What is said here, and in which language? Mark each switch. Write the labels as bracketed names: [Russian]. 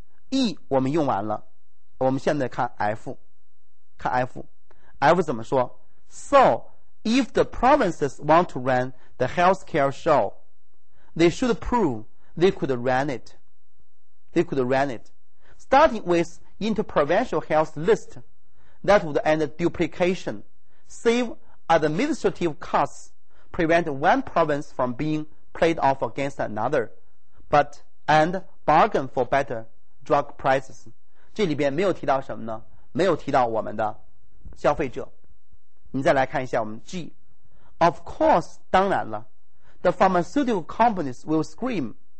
[Chinese] E 我们用完了，我们现在看 F， F 怎么说？ [English] So if the provinces want to run the healthcare show they should prove they could run it starting with interprovincial health list that would end duplication, save administrative costs, prevent one province from being played off against another, but and bargain for better drug prices. [Chinese] 这里边没有提到什么呢？没有提到我们的消费者。你再来看一下我们 G。 [English] Of course, [Chinese] 当然了， [English] the pharmaceutical companies will scream.